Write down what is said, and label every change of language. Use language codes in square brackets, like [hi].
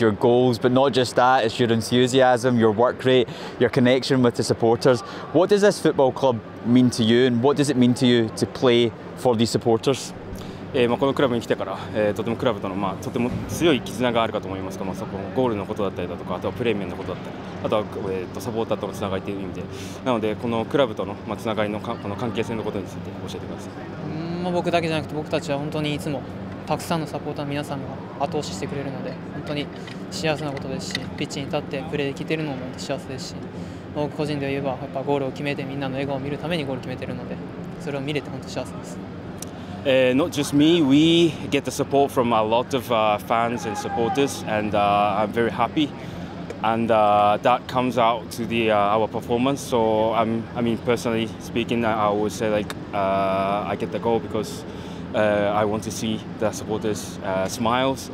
[en] Your goals, but not just that, it's your enthusiasm, your work rate, your connection with the supporters. What does this football club mean to you, and what does it mean to you to play for these supporters? [ja] まあ、このクラブに来てから、とてもクラブとの、まあ、とても強い絆があるかと思いますが、まあ、そこのゴールのことだったりだとか、あとはプレー面のことだったり、あとは、サポーターとのつながりという意味で、なのでこのクラブとの、まあ、つながりの、この関係性のことについて教えてください。まあ、僕だけじゃなくて、僕たちは本当にいつもたくさんのサポーターの皆さんが後押ししてくれるので本当に幸せなことですし、ピッチに立ってプレーできているのも幸せですし、僕個人で言えばやっぱゴールを決めてみんなの笑顔を見るためにゴールを決めているので、それを見れて本当に幸せです。 [en] Not just me, we get the support from a lot of fans and supporters, and I'm very happy. And that comes out to the, our performance. So, I mean, personally speaking, I would say like, I get the goal because I want to see the supporters' smiles.